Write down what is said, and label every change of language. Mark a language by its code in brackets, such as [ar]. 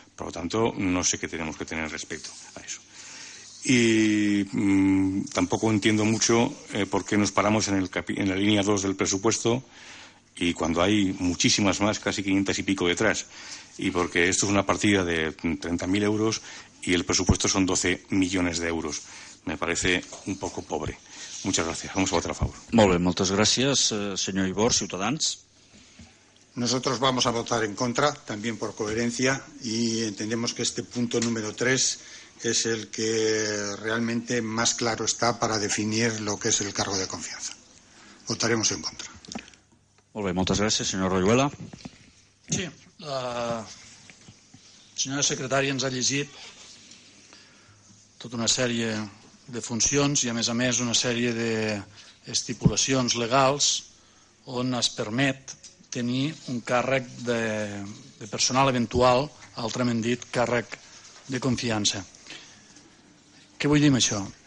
[es] Por lo tanto, no sé qué tenemos que tener respecto a eso. Y tampoco entiendo mucho por qué nos paramos en la línea 2 del presupuesto y cuando hay muchísimas más, casi 500 y pico detrás, y porque esto es una partida de 30.000 euros y el presupuesto son 12 millones de euros. Me parece un poco pobre. Muchas gracias. Vamos a votar a favor. [ca] Molt bé, moltes gràcies, senyor Ibor, Ciutadans. [es] Nosotros vamos a votar en contra, también por coherencia, y entendemos que este punto número 3 es el que realmente más claro está para definir lo que es el cargo de confianza. Votaremos en contra. [ca] Molt bé, moltes gràcies, senyor Royuela. Sí, la senyora secretària ens ha llegit tota una sèrie de funcions i, a més, una sèrie d'estipulacions legals on es permet tenir un càrrec de personal eventual, altrament dit, càrrec de confiança. Què vull dir amb això?